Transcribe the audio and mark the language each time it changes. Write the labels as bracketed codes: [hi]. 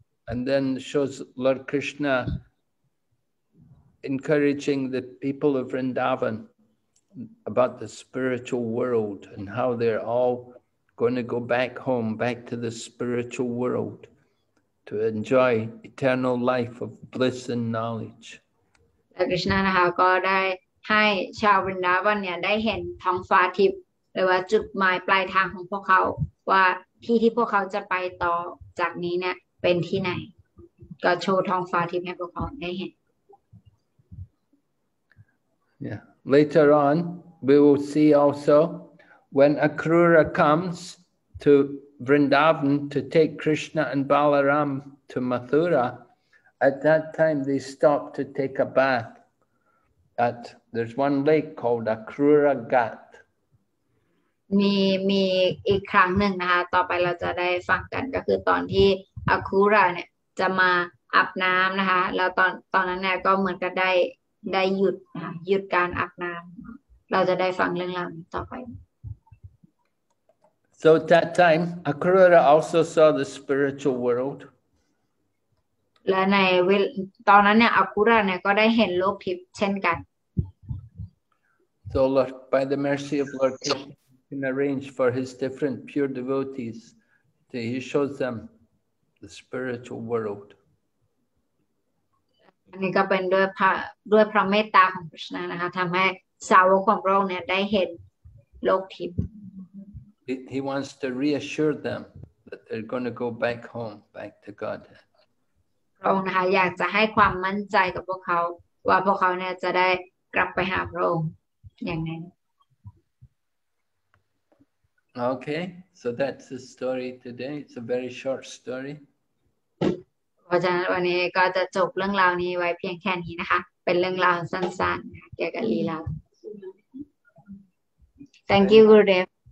[en] And then shows Lord Krishna encouraging the people of Vrindavan about the spiritual world and how they're all going to go back home back to the spiritual world to enjoy eternal life of bliss and knowledge [th] คริชนานะคะก็ได้ให้ชาววรินดาวันเนี่ยได้เห็นท้องฟ้าทิพย์หรือว่าจุดหมายปลายทางของพวกเขาว่าที่ที่พวกเขาจะไปต่อจากนี้เนี่ยเป็นที่ไหนก็โชว์ท้องฟ้าทิพย์ให้พวกเขาได้เห็น [en] Yeah later on we will see also when Akrura comes to Vrindavan to take Krishna and Balaram to Mathura At that time, they stop to take a bath. There's one lake called Akrura Ghat. [th] มีอีกครั้งหนึ่งนะคะต่อไปเราจะได้ฟังกันก็คือตอนที่อคูระเนี่ยจะมาอาบน้ำนะคะแล้วตอนนั้นเนี่ยก็เหมือนกับได้หยุดนะคะหยุดการอาบน้ำเราจะได้ฟังเรื่องราวต่อไป [en] So at that time, Akrura also saw the spiritual world. [th] และในตอนนั้นเนี่ยอคุระเนี่ยก็ได้เห็นโลกทิพย์เช่นกัน [en] So Lord, by the mercy of Lord Krishna, can arrange for his different pure devotees that he shows them the spiritual world. [th] อันนี้ก็เป็นด้วยพระเมตตาของพระเจ้านะคะทำให้สาวกของพระองค์เนี่ยได้เห็นโลกทิพย์ [en] He wants to reassure them that they're going to go back home, back to Godhead. [th] พระองค์นะคะอยากจะให้ความมั่นใจกับพวกเขาว่าพวกเขาเนี่ยจะได้กลับไปหาพระองค์อย่างนั้น [en] Okay, so that's the story today. It's a very short story. [th] เพราะฉะนั้นวันนี้ก็จะจบเรื่องราวนี้ไว้เพียงแค่นี้นะคะเป็นเรื่องราวสั้นๆเกี่ยวกับลีลา [en] Thank you, Gurudev.